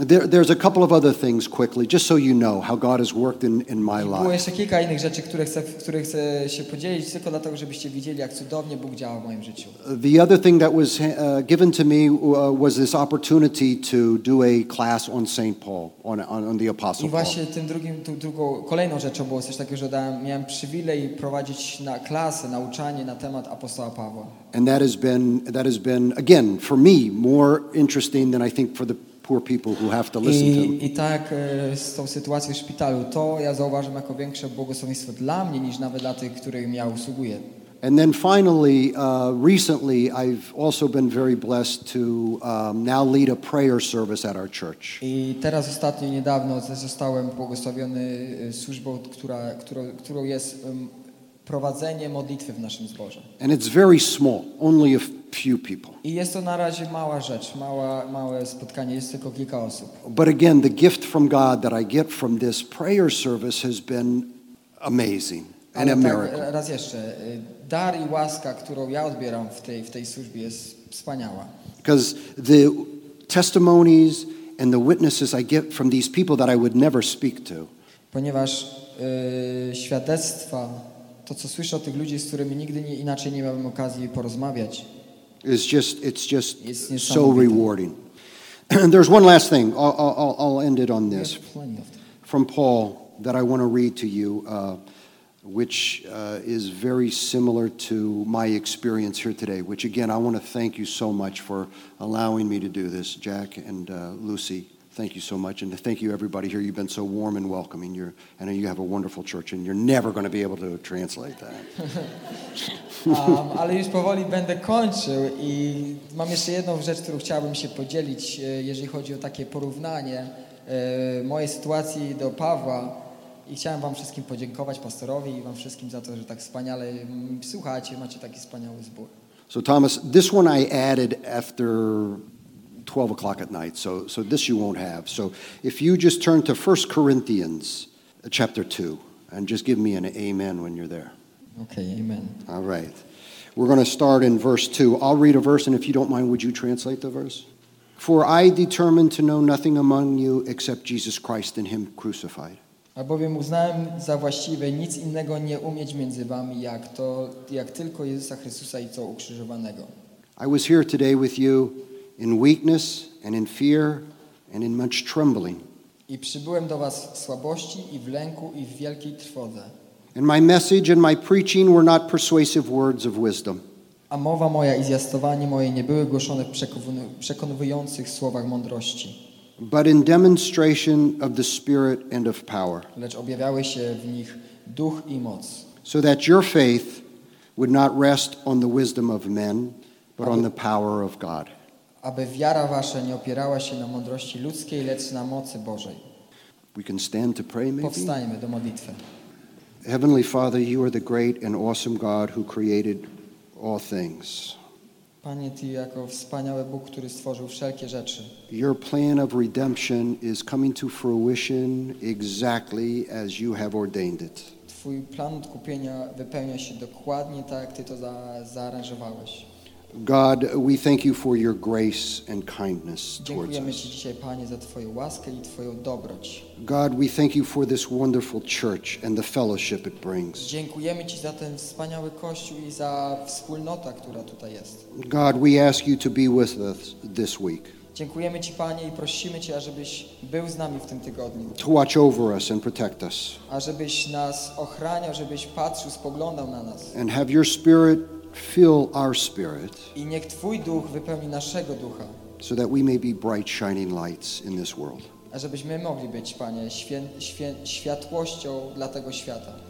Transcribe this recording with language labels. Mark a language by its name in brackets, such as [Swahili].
[English] There's a couple of other things quickly, just so you know how God has worked in my life. [Polish] Było jeszcze kilka innych rzeczy, które chcę się podzielić, tylko dlatego, żebyście widzieli, jak cudownie Bóg działa w moim życiu. [English] The other thing that was given to me was this opportunity to do a class on Saint Paul, on the Apostle Paul. [Polish] I właśnie drugą kolejną rzeczą było coś takiego, że miałem przywilej prowadzić na klasę, nauczanie na temat apostoła Pawła. [English] And that has been again for me more interesting than I think for the poor people who have to listen to him. [Polish] I tak z tą sytuacją w szpitalu, to ja zauważam jako większe błogosławieństwo dla mnie niż nawet dla tych, którym ja usługuję. [English] And then finally, recently I've also been very blessed to now lead a prayer service at our church. [Polish] I teraz ostatnio niedawno zostałem błogosławiony służbą, którą jest prowadzenie modlitwy w naszym zborze. [English] And it's very small, only a few people. [Polish] I jest to na razie mała rzecz, małe spotkanie, jest tylko kilka osób. [English] But again, the gift from God that I get from this prayer service has been amazing and a miracle. [Polish] Ale raz jeszcze, dar i łaska, którą ja odbieram w tej służbie, jest wspaniała. [English] Because the testimonies and the witnesses I get from these people that I would never speak to. [Polish] Ponieważ świadectwa, to co słyszę od tych ludzi, z którymi nigdy inaczej nie miałem okazji porozmawiać. [English] It's just so rewarding. There's one last thing. I'll end it on this. From Paul that I want to read to you, which is very similar to my experience here today, which again, I want to thank you so much for allowing me to do this. Jack and Lucy, thank you so much. And thank you everybody here. You've been so warm and welcoming. I know you have a wonderful church and you're never going to be able to translate that. [Polish] ale już powoli będę kończył i mam jeszcze jedną rzecz, którą chciałbym się podzielić, jeżeli chodzi o takie porównanie mojej sytuacji do Pawła. I chciałem wam wszystkim podziękować, pastorowi i wam wszystkim za to, że tak wspaniale słuchacie, macie taki wspaniały zbór. [English] So Thomas, this one I added after 12 o'clock at night, so this you won't have. So if you just turn to 1 Corinthians chapter 2 and just give me an amen when you're there. Okay, amen. All right. We're going to start in verse 2. I'll read a verse, and if you don't mind, would you translate the verse? For I determined to know nothing among you except Jesus Christ and him crucified. [Polish] Albowiem uznałem za właściwe nic innego nie umieć między wami, jak tylko Jezusa Chrystusa i co ukrzyżowanego. [English] I was here today with you in weakness and in fear and in much trembling. [Polish] I przybyłem do was w słabości i w lęku i w wielkiej trwodze. [English] And my message and my preaching were not persuasive words of wisdom. [Polish] A mowa moja i zwiastowanie moje nie były głoszone w przekonywujących słowach mądrości. [English] But in demonstration of the Spirit and of power. [Polish] Lecz objawiały się w nich duch i moc. [English] So that your faith would not rest on the wisdom of men, but on the power of God. [Polish] Aby wiara wasza nie opierała się na mądrości ludzkiej, lecz na mocy Bożej. [English] We can stand to pray, maybe? [Polish] Powstajmy do modlitwy. [English] Heavenly Father, you are the great and awesome God who created all things. [Polish] Panie, ty jako wspaniały Bóg, który stworzył wszelkie rzeczy. [English] Your plan of redemption is coming to fruition exactly as you have ordained it. [Polish] Twój plan odkupienia wypełnia się dokładnie tak, jak ty to zaaranżowałeś. [English] God, we thank you for your grace and kindness towards us. [Polish] Dziękujemy ci dzisiaj, Panie, za twoją łaskę i twoją dobroć. [English] God, we thank you for this wonderful church and the fellowship it brings. [Polish] Dziękujemy ci za ten wspaniały kościół i za wspólnotę, która tutaj jest. [English] God, we ask you to be with us this week. [Polish] Dziękujemy ci, Panie, i prosimy cię, ażebyś był z nami w tym tygodniu. [English] To watch over us and protect us. [Polish] Ażebyś nas ochraniał, żebyś patrzył, spoglądał na nas. [English] And have your spirit fill our spirit. [Polish] I niech twój duch wypełni naszego ducha. [English] So that we may be bright shining lights in this world. [Polish] Ażebyśmy mogli być, Panie, światłością dla tego świata.